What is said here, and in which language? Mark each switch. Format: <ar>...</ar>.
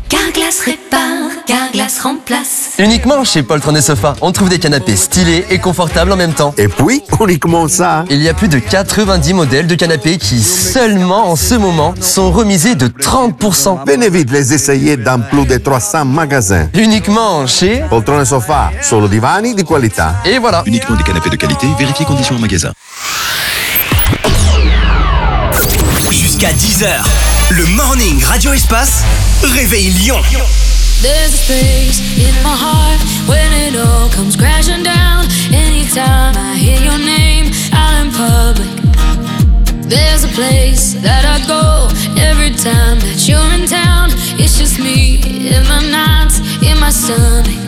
<fr>Carglass répare, Carglass remplace. Uniquement chez Poltron et Sofa, on trouve des canapés stylés et confortables en même temps. Et puis, uniquement ça. Il y a plus de 90 modèles de canapés qui, seulement en ce moment, sont remisés de 30%. Venez vite les essayer dans plus de 300 magasins. Uniquement chez Poltron et Sofa,</fr> <it>solo divani di qualità.</it> <fr>Et voilà. Uniquement des canapés de qualité, vérifiez conditions en magasin. Jusqu'à 10h. Le Morning Radio Espace réveille Lyon.</fr> <en>There's a space in my heart when it all comes crashing down. Anytime I hear your name out in public, there's a place that I go every time that you're in town. It's just me in my nights, in my stomach.</en>